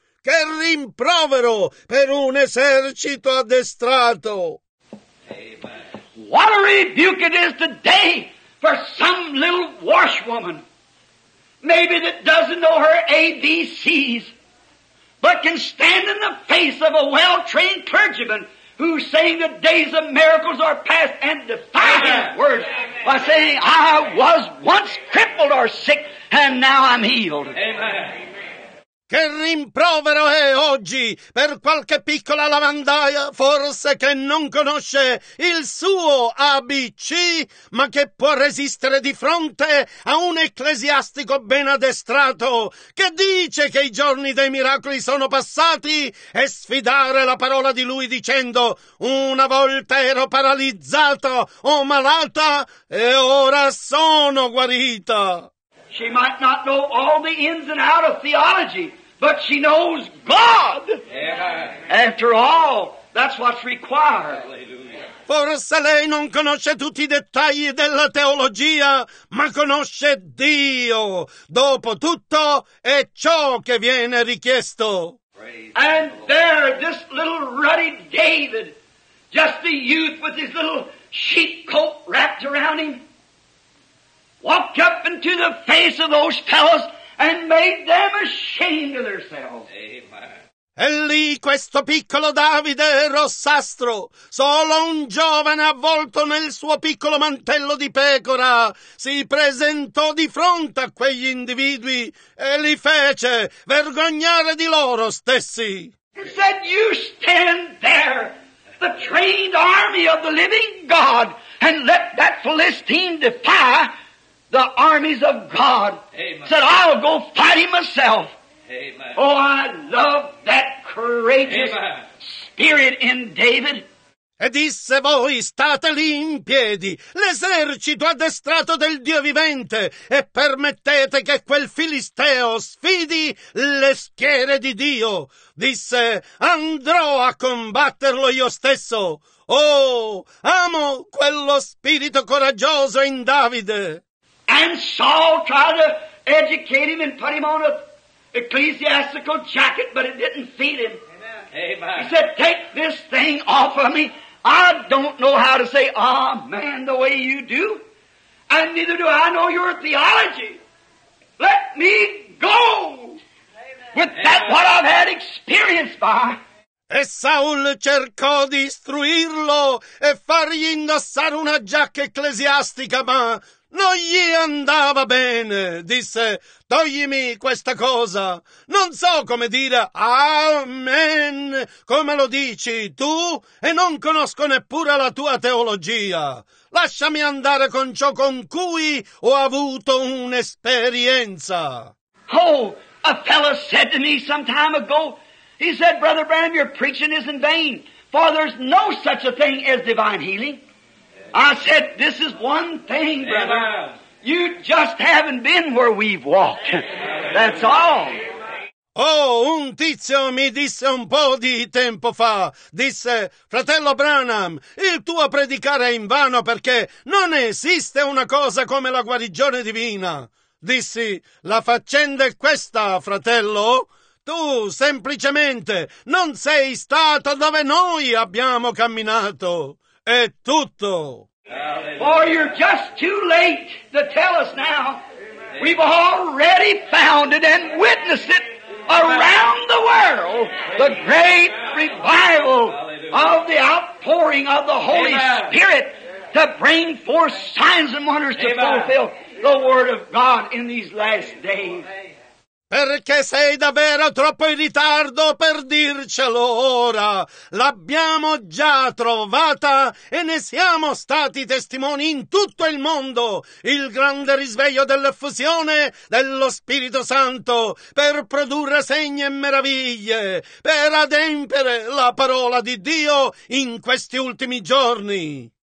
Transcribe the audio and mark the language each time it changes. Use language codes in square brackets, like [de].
[it] Che rimprovero per un esercito addestrato! [en] What a rebuke it is today for some little washwoman, maybe that doesn't know her ABCs, but can stand in the face of a well-trained clergyman who's saying the days of miracles are past and defy his word by saying, I was once crippled or sick and now I'm healed. Amen. [it] Che rimprovero è oggi per qualche piccola lavandaia, forse che non conosce il suo ABC, ma che può resistere di fronte a un ecclesiastico ben addestrato che dice che i giorni dei miracoli sono passati e sfidare la parola di lui dicendo: una volta ero paralizzato o malata e ora sono guarita. [en] She might not know all the ins and outs of theology, but she knows God. Amen. After all, that's what's required. Hallelujah. [it] Forse lei non conosce tutti i dettagli della teologia, ma conosce Dio. Dopo tutto, è ciò che viene richiesto. [en] And there, this little ruddy David, just a youth with his little sheep coat wrapped around him, walked up into the face of those fellows and made them ashamed of themselves. Amen. [it] E lì questo piccolo Davide rossastro, solo un giovane avvolto nel suo piccolo mantello di pecora, si presentò di fronte a quegli individui e li fece vergognare di loro stessi. [en] He said, you stand there, the trained army of the living God, and let that Philistine defy the armies of God. Amen. Said, I'll go fight him myself. Amen. Oh, I love that courageous Amen. Spirit in David. [it] E disse, voi state lì in piedi, l'esercito addestrato del Dio vivente, e permettete che quel filisteo sfidi le schiere di Dio. Disse, andrò a combatterlo io stesso. Oh, amo quello spirito coraggioso in Davide. [en] And Saul tried to educate him and put him on an ecclesiastical jacket, but it didn't feed him. Amen. Amen. He said, take this thing off of me. I don't know how to say amen the way you do, and neither do I know your theology. Let me go with amen. That what I've had experience by. [it] E Saul cercò di istruirlo e fargli indossare una giacca ecclesiastica, ma non gli andava bene. Disse, toglimi questa cosa. Non so come dire amen come lo dici tu e non conosco neppure la tua teologia. Lasciami andare con ciò con cui ho avuto un'esperienza. [en] Oh, a fellow said to me some time ago, he said, Brother Branham, your preaching is in vain, for there's no such a thing as divine healing. I said, this is one thing, brother. Amen. You just haven't been where we've walked. That's all. [it] Oh, un tizio mi disse un po' di tempo fa, disse, fratello Branham, il tuo predicare è invano perché non esiste una cosa come la guarigione divina. Dissi, la faccenda è questa, fratello. Tu, semplicemente, non sei stato dove noi abbiamo camminato. È tutto. [en] For you're just too late to tell us now. We've already found it and witnessed it around the world. The great revival of the outpouring of the Holy Spirit to bring forth signs and wonders to fulfill the Word of God in these last days. [it] Perché sei davvero troppo in ritardo per dircelo ora. L'abbiamo già trovata e ne siamo stati testimoni in tutto il mondo. Il grande risveglio dell'effusione dello Spirito Santo per produrre segni e meraviglie, per adempiere la parola di Dio in questi ultimi giorni.